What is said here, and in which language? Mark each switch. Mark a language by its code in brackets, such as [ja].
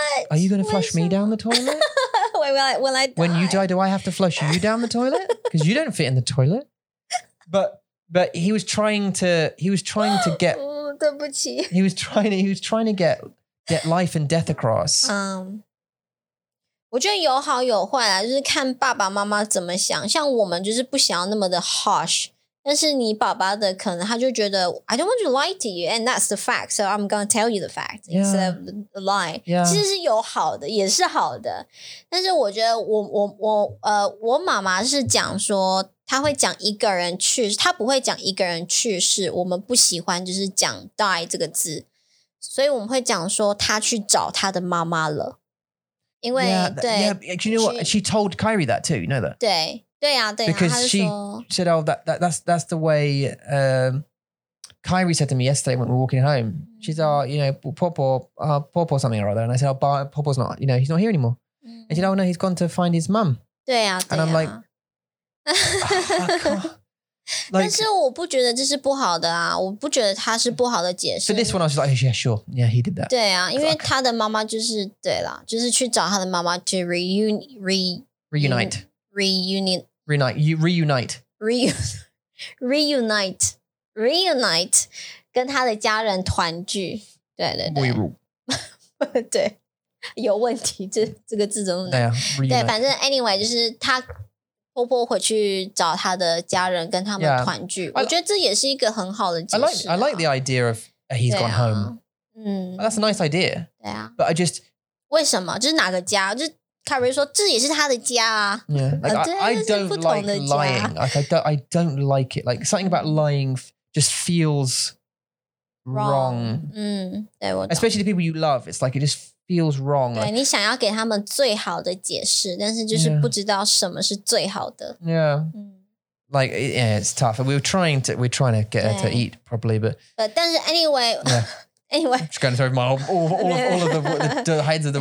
[en] Are you going to flush me down the toilet? Will I die? When you die, do I have to flush you down the toilet? Because you don't fit in the toilet. But he was trying to get, [zh] oh, 对不起. [en] He was trying to get life and death across. [zh] 我觉得有好有坏啦，就是看爸爸妈妈怎么想。像我们就是不想要那么的 [en] harsh， [zh] 但是你爸爸的可能他就觉得 [en] I don't want to lie to you, and that's the fact, so I'm going to tell you the fact instead of the lie. Yeah. [zh] 其实是有好的，也是好的。但是我觉得我妈妈是讲说。他会讲一个人去世，他不会讲一个人去世，我们不喜欢就是讲 die 这个字，所以我们会讲说他去找他的妈妈了，因为 [en] Do you know what? She told Kyrie that too, you know that? [zh] 对对啊对啊 [en] Because she said, oh, that's the way Kyrie said to me yesterday when we were walking home. She said, oh, you know, Popo something or other. And I said, oh, Popo's not, you know, he's not here anymore. And she said, oh no, he's gone to find his mum. [zh] 对啊对啊 [en] And I'm like, oh, like, [zh] 但是我不觉得这是不好的啊，我不觉得他是不好的解释。 [en] For this one, I was like, yeah, sure, yeah, he did that. [zh] 对啊，因为他的妈妈就是对啦，就是去找他的妈妈 [en] to reunite, [zh] 跟他的家人团聚。对对对，对，有问题，这个字怎么对啊？对，反正 anyway, 就是他。婆婆回去找她的家人跟他们团聚 [en] yeah, [zh] 我觉得这也是一个很好的解释、啊、 [en] I like the idea of he's gone home、啊、 That's a nice idea [zh] 对啊 [en] But I just [zh] 为什么就是哪个家就是 Kyrie 说这也是他的家啊 [en] I don't like lying, I don't like it Like something about lying just feels wrong [zh] 对我懂 [en] Especially the people you love It's like it justfeels wrong. [zh] 对，你想要给他们最好的解释，但是就是不知道什么是最好的。 [en] Yeah. Like, yeah, it's tough. We're trying to get her to eat properly, but [zh] 但是 [en] anyway,、yeah. anyway, I'm just going to throw my all of the hides of the